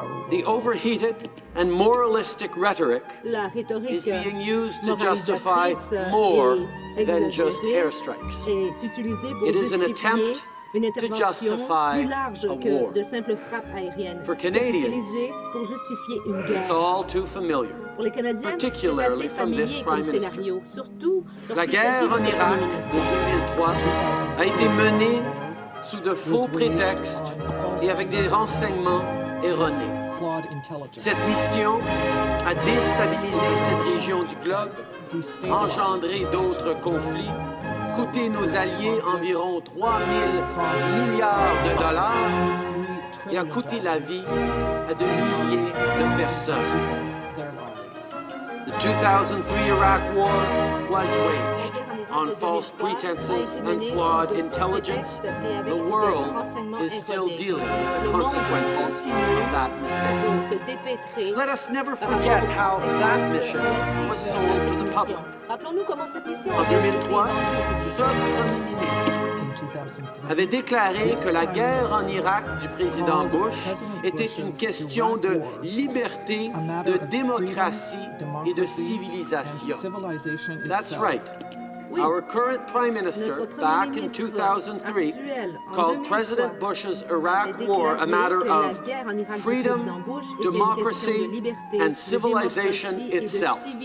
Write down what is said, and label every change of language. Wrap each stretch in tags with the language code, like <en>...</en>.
<en>The overheated and moralistic rhetoric is being used to justify more than just airstrikes. It is an attempt to justify a war. For Canadians, it's all too familiar, particularly from this Prime Minister.</en> <fr>La guerre en Irak de 2003 a été menée sous de faux prétextes et avec des renseignements erronés. Cette mission a déstabilisé cette région du globe, engendré d'autres conflits, coûté nos alliés environ 3 000 milliards de dollars et a coûté la vie à de milliers de personnes.</fr> <en>The 2003 Iraq War was waged on false pretenses and flawed intelligence, the world is still dealing with the consequences of that mistake. Let us never forget how that mission was sold to the public.</en> <fr>En 2003, ce premier ministre avait déclaré que la guerre en Irak du président Bush était une question de liberté, de démocratie et de civilisation.</fr> <en>That's right. Our current Prime Minister, back in 2003, called President Bush's Iraq war a matter of freedom, democracy, and civilization itself.</en>